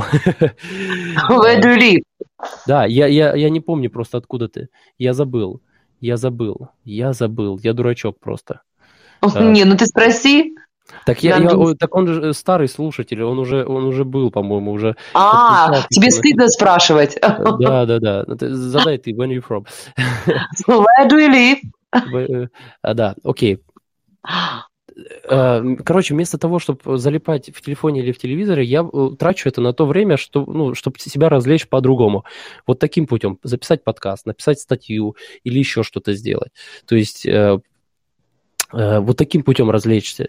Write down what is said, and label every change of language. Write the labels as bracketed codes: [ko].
[en] Where do you live? [ru] Да, я не помню просто, откуда ты, я забыл, я дурачок просто. Ты спроси. Так он же старый слушатель, он уже был, по-моему, уже. Тебе стыдно спрашивать. Да. Задай ты, [en] when you from? Where do you live? [ru] Да, окей. Короче, вместо того, чтобы залипать в телефоне или в телевизоре, я трачу это на то время, что, ну, чтобы себя развлечь по-другому. Вот таким путем. Записать подкаст, написать статью или еще что-то сделать. То есть вот таким путем развлечься.